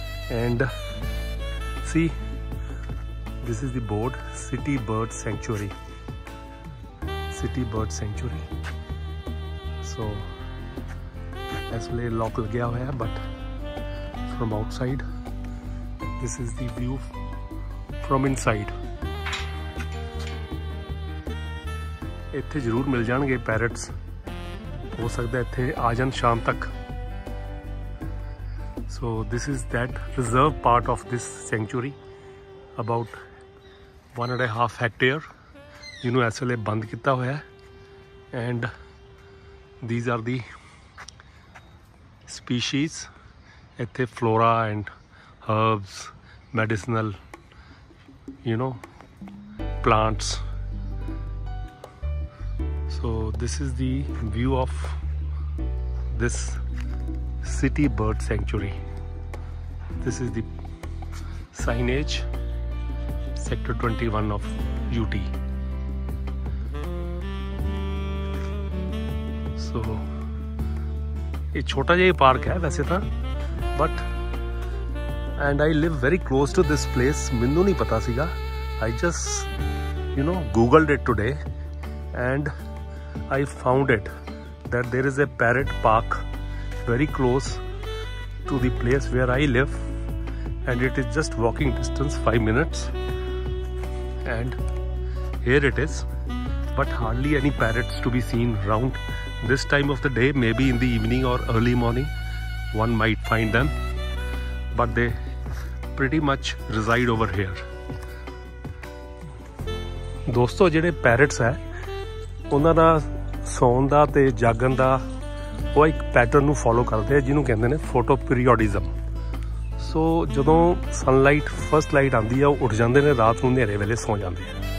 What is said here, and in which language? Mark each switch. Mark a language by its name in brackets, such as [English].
[English] And see, this is the board, City Bird Sanctuary. City Bird Sanctuary. So as well, [Hindi] lock lagya hua hai, [English] but from outside, this is the view from inside. [Punjabi] ਇੱਥੇ ਜ਼ਰੂਰ ਮਿਲ ਜਾਣਗੇ parrots, ਹੋ ਸਕਦਾ ਇੱਥੇ ਆ ਜਾਣ ਸ਼ਾਮ ਤੱਕ. [English] so this is that reserve part of this sanctuary, about 1.5 hectares, [Punjabi] ਜਿਹਨੂੰ ਇਸ ਵੇਲੇ ਬੰਦ ਕੀਤਾ ਹੋਇਆ. [English] And these are the species, ਇੱਥੇ flora and herbs, medicinal you know plants. So this is the view of this city bird sanctuary. This is the signage, sector 21 of UT. So [Hindi] ye chota jaha park hai waise tha, [English] but and I live very close to this place. [Punjabi] Mainu nahi pata siga, [English] I just you know googled it today and I found it that there is a parrot park very close to the place where I live, and it is just walking distance, 5 minutes, and here it is. But hardly any parrots to be seen around this time of the day. Maybe in the evening or early morning one might find them, but they pretty much reside over here. [Punjabi] Dosto, jehde parrots hai unna da ਸੌਣ ਦਾ ਅਤੇ ਜਾਗਣ ਦਾ ਉਹ ਇੱਕ pattern ਨੂੰ follow ਕਰਦੇ ਆ, ਜਿਹਨੂੰ ਕਹਿੰਦੇ ਨੇ ਫੋਟੋਪੀਰੀਓਡਿਜ਼ਮ. ਸੋ ਜਦੋਂ ਸਨਲਾਈਟ, ਫਸਟ ਲਾਈਟ ਆਉਂਦੀ ਆ, ਉਹ ਉੱਠ ਜਾਂਦੇ ਨੇ, ਰਾਤ ਨੂੰ ਹਨੇਰੇ ਵੇਲੇ ਸੌਂ ਜਾਂਦੇ ਆ.